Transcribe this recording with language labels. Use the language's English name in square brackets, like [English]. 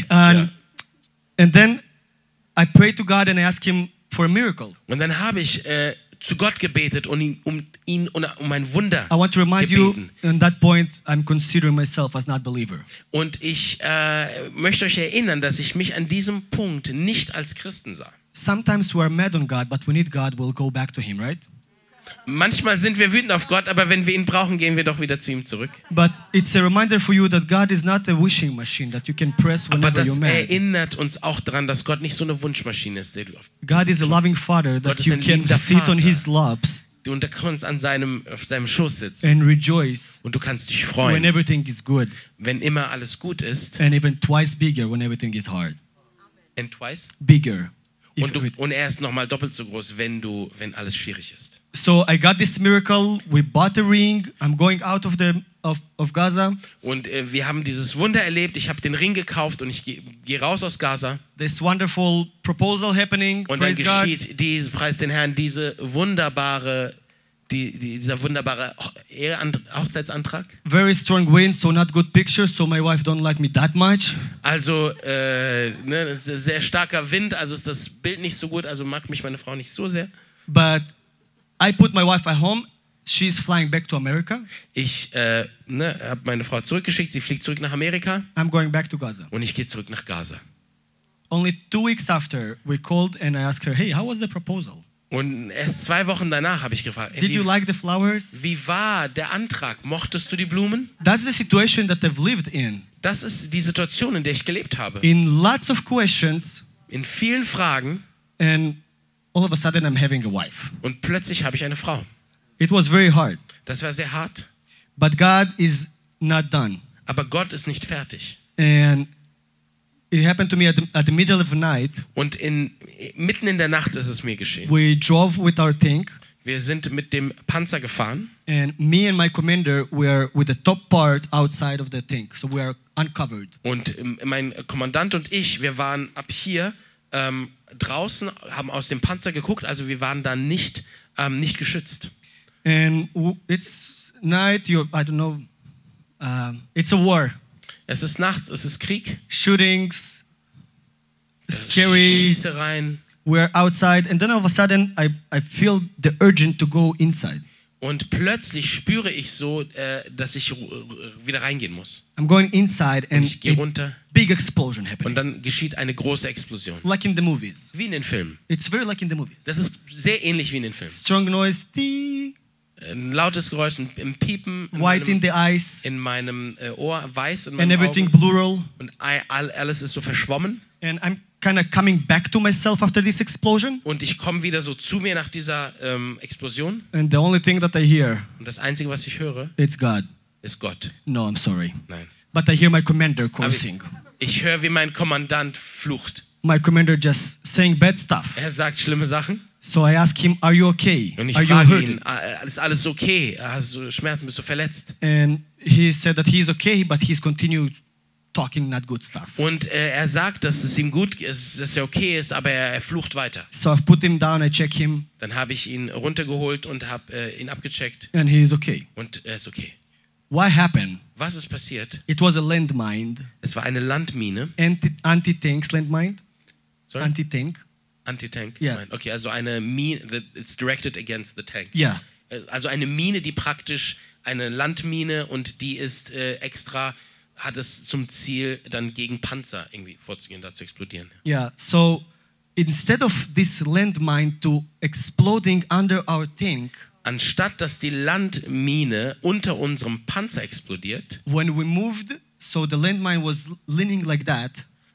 [English] And then I pray to God and I ask him. For a miracle. [German] Und dann habe ich zu Gott gebetet und ihn um ein Wunder gebeten. [English] I want to remind you, in that point, I'm considering myself as not believer. [German] Und ich möchte euch erinnern, dass ich mich an diesem Punkt nicht als Christen sah. [English] Sometimes we are mad on God, but we need God, we'll go back to him, right? [German] Manchmal sind wir wütend auf Gott, aber wenn wir ihn brauchen, gehen wir doch wieder zu ihm zurück. [English] But it's a reminder for you that God is not a wishing machine that you can press whenever you're mad. [German] Aber das erinnert uns auch daran, dass Gott nicht so eine Wunschmaschine ist, der du auf. [English] God is a loving Father that you can sit on his laps. [German] Und du kannst auf seinem Schoß sitzen. [English] And rejoice. [German] Und du kannst dich freuen. [English] When everything is good. [German] Wenn immer alles gut ist. [English] And even twice bigger when everything is hard. And twice bigger. [German] Und er ist nochmal doppelt so groß, wenn alles schwierig ist. [English] So I got this miracle, we bought a ring, I'm going out of the Gaza. [German] Und wir haben dieses Wunder erlebt, ich habe den Ring gekauft und ich gehe raus aus Gaza. [English] This wonderful proposal happening, [German] und [English] praise [German] dann geschieht [English] God. [German] Dies, preis den Herrn, dieser wunderbare Hochzeitsantrag. [English] Very strong wind, so not good pictures, so my wife don't like me that much. [German] Also sehr starker Wind, also ist das Bild nicht so gut, also mag mich meine Frau nicht so sehr. [English] But I put my wife at home. She's flying back to America. [German] Ich habe meine Frau zurückgeschickt. Sie fliegt zurück nach Amerika. [English] I'm going back to Gaza. [German] Und ich gehe zurück nach Gaza. [English] Only 2 weeks after, we called and I asked her, "Hey, how was the proposal?" [German] Und erst 2 Wochen danach habe ich gefragt, [English] "Did you like the flowers?" [German] Wie war der Antrag? Mochtest du die Blumen? [English] That's the situation that I've lived in. [German] Das ist die Situation, in der ich gelebt habe. [English] In lots of questions. [German] In vielen Fragen. [English] And all of a sudden I'm having a wife. [German] Und plötzlich habe ich eine Frau. [English] It was very hard. [German] Das war sehr hart. [English] But God is not done. [German] Aber Gott ist nicht fertig. [English] And it happened to me at the middle of the night. [German] Und mitten in der Nacht ist es mir geschehen. [English] We drove with our tank. [German] Wir sind mit dem Panzer gefahren. [English] And me and my commander were with the top part outside of the tank. So we are uncovered. [German] Und mein Kommandant und ich, wir waren ab hier draußen, haben aus dem Panzer geguckt, also wir waren da nicht nicht geschützt. [English] And it's night, I don't know, it's a war. [German] Es ist nachts, es ist Krieg. [English] Shootings, scary. [German] Schießereien. [English] We're outside and then all of a sudden I feel the urgent to go inside. [German] Und plötzlich spüre ich so, dass ich wieder reingehen muss. [English] I'm going inside and [German] ich gehe runter. [English] Big explosion happening. [German] Und dann geschieht eine große Explosion. [English] Like in the movies. [German] Wie in den Filmen. [English] It's very like in the movies. [German] Das ist sehr ähnlich wie in den Filmen. [English] Strong noise. Die. [German] Ein lautes Geräusch, ein Piepen. [English] White in the eyes. [German] In meinem Ohr, weiß in meinem Auge. [English] And everything [German] Augen. [English] Plural. [German] Und alles ist so verschwommen. [English] And I'm kind of coming back to myself after this explosion. [German] Und ich komme wieder so zu mir nach dieser Explosion. [English] And the only thing that I hear. [German] Und das Einzige, was ich höre. [English] It's God. [German] Ist Gott. [English] No, I'm sorry. [German] Nein. [English] But I hear my commander cursing. [German] Ich höre, wie mein Kommandant flucht. [English] My commander just saying bad stuff. [German] Er sagt schlimme Sachen. [English] So I ask him, "Are you okay? [German] Und ich [English] Are [German] frage [English] you [German] ihn, ist alles okay? Hast du Schmerzen? Bist du verletzt?" [English] And he said that he is okay, but he's continued talking not good stuff. [German] Und er sagt, dass es ihm gut ist, dass er okay ist, aber er flucht weiter. [English] So I put him down, I check him. [German] Dann habe ich ihn runtergeholt und habe ihn abgecheckt. [English] And he is okay. [German] Und er ist okay. [English] What happened? [German] Was ist passiert? [English] It was a landmine. [German] Es war eine Landmine. [English] Anti-tank landmine. Sorry? Anti-tank. Anti-tank. Yeah. Mine. Okay, [German] also eine Mine, [English] it's directed against the tank. Yeah. [German] Also eine Mine, die praktisch eine Landmine und die ist extra, hat es zum Ziel, dann gegen Panzer irgendwie vorzugehen, da zu explodieren. [English] Yeah, so instead of this landmine to exploding under our tank, [German] anstatt dass die Landmine unter unserem Panzer explodiert, [English] when we moved, so the landmine was leaning like that,